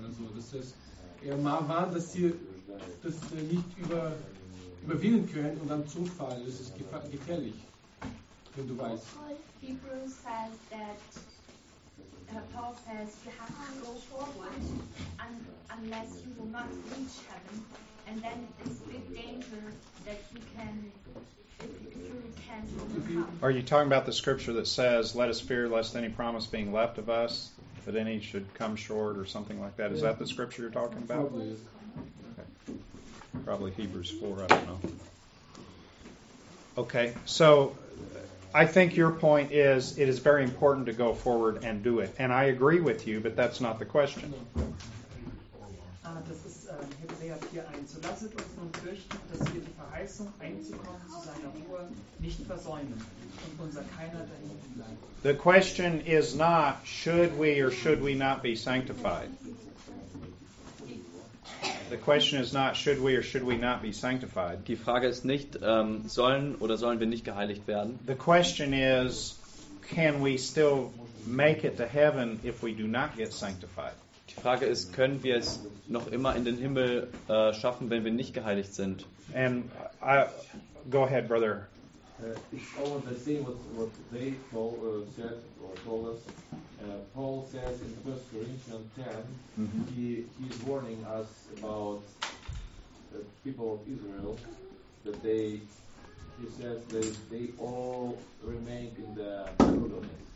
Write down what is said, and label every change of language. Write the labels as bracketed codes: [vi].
[de] Also das heißt, er warnt, dass sie das nicht überwinden können und dann zufallen. Das ist gefährlich, wenn du weißt. [en] Hebrews says that Paul says, you have to go forward unless you will not reach heaven. And then it's a big danger that you can, if you can overcome. Are you talking about the scripture that says, let us fear lest any promise being left of us, that any should come short or something like that? Is that the scripture you're talking about? Probably. Okay. Probably Hebrews 4, I don't know. Okay, so I think your point is it is very important to go forward and do it. And I agree with you, but that's not the question. [de] Das ist Hebräer 4:1. So lasset uns nun fürchten, dass wir die Verheißung einzukommen zu seiner Ruhe nicht versäumen und unser keiner dahin bleibt. [en] The question is not should we or should we not be sanctified. The question is not should we or should we not be sanctified. [de] Die Frage ist nicht sollen oder sollen wir nicht geheiligt werden. [en] The question is can we still make it to heaven if we do not get sanctified? [de] Die Frage ist, können wir es noch immer in den Himmel schaffen, wenn wir nicht geheiligt sind? [en] And I, go ahead, brother. It's almost the same what they told, said or told us. Paul says in 1 Corinthians 10, mm-hmm. he's warning us about the people of Israel, that he says that they all remain in the wilderness.